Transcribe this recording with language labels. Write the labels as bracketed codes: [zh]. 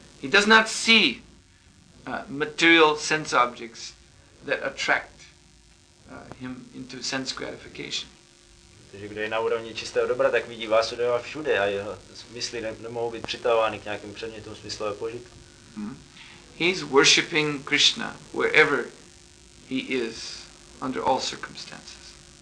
[en] He does not see material sense objects that attract him into sense gratification. [cs] Takže kdo je na úrovni čistého dobra, tak vidí Vasudeva všude a jeho smysly nemohou být přitahovány k nějakým předmětům smyslového požitku. [en] He's worshipping Krishna wherever he is, under all circumstances.